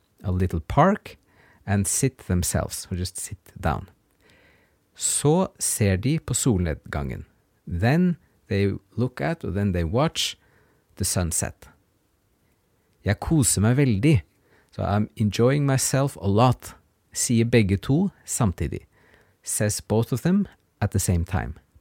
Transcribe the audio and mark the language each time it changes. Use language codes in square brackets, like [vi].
[en] A little park, and sit themselves, or just sit down. [no] Så ser de på solnedgangen. [en] Then they look at, or then they watch, the sunset. [no] Jeg koser meg veldig, [en] so I'm enjoying myself a lot, [no] sier begge to samtidig, [en] says both of them at the same time.